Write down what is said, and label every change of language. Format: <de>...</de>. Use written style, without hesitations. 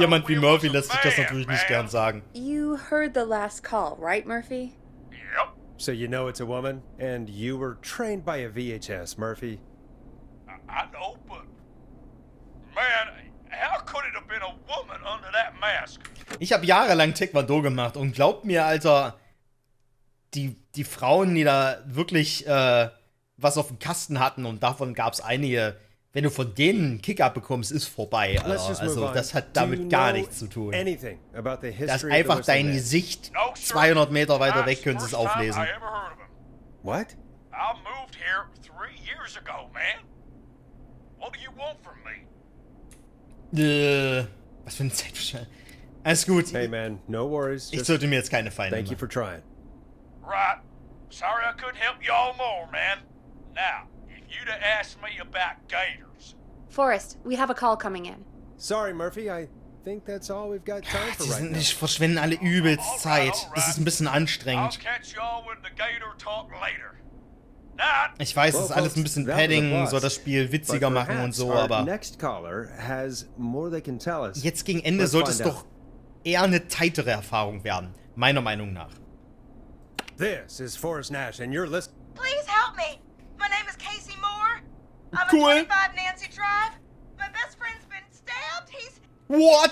<de>Jemand wie Murphy lässt sich das natürlich nicht gern sagen.</de> <en>You heard the last call, right, Murphy? So you know it's a woman, and you were trained by a VHS, Murphy. I know, but... Man, how could it have been a woman under that mask?</en> <de>Ich habe jahrelang Taekwondo gemacht, und glaubt mir, Alter, die Frauen, die da wirklich was auf dem Kasten hatten, und davon gab es einige, wenn du von denen einen Kick abbekommst, ist vorbei. Also das hat damit gar nichts zu tun. Das ist einfach dein Gesicht. 200 Meter weiter weg können sie es auflesen.</de> <en>What? I moved here 3 years ago, man. What do you want from me?</en> <de>Was für ein Zeitverschwendung. Alles gut.</de> <en>Hey man, no worries.</en> <de>Ich sollte mir jetzt keine Feinde machen.</de> <en>Thank you for trying. Right. Sorry I couldn't help you all more, man. Now. You'd have asked me about gators. Forrest, we have a call coming in. Sorry, Murphy, I think that's all we've got time for right now.</en> <de>Die verschwenden alle übelst Zeit. Das ist ein bisschen anstrengend.</de> <en>I'll catch y'all with the gator talk later. Not.</en> <de>Ich weiß, es ist alles ein bisschen padding, soll das Spiel witziger machen und so, aber</de> <en>next caller has more they can tell us.</en> <de>Jetzt gegen Ende sollte es doch eher eine tightere Erfahrung werden, meiner Meinung nach.</de> <en>This is Forrest Nash and you're listening. Please help me. My name is Casey Moore. I'm cool. A 25 Nancy Drive. My best friend's been stabbed. He's what?</en>